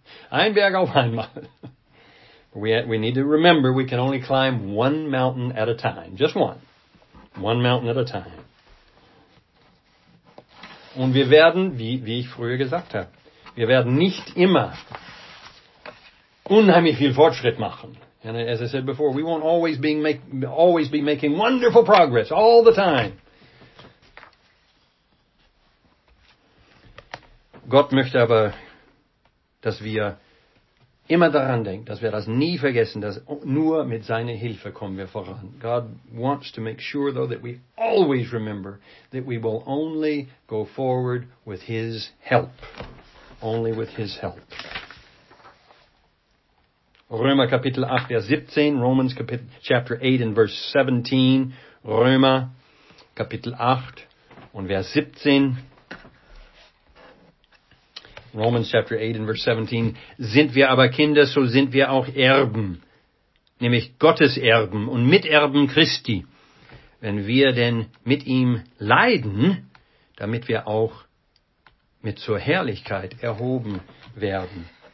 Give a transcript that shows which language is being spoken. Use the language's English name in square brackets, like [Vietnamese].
[German] Ein Berg auf einmal. [English] We need to remember we can only climb one mountain at a time. Just one. One mountain at a time. [German] Und wir werden, wie ich früher gesagt habe, wir werden nicht immer unheimlich viel Fortschritt machen. [English] And as I said before, we won't always be making wonderful progress all the time. [German] Gott möchte aber, dass wir immer daran denken, dass wir das nie vergessen, dass nur mit seiner Hilfe kommen wir voran. [English] God wants to make sure though that we always remember that we will only go forward with his help. Only with his help. [German] Römer Kapitel 8, Vers 17, [English] Romans chapter 8 and verse 17, [German] Römer Kapitel 8 und Vers 17, [English] Romans chapter 8 and verse 17, [German] sind wir aber Kinder, so sind wir auch Erben, nämlich Gottes Erben und Miterben Christi, wenn wir denn mit ihm leiden, damit wir auch mit zur Herrlichkeit erhoben werden.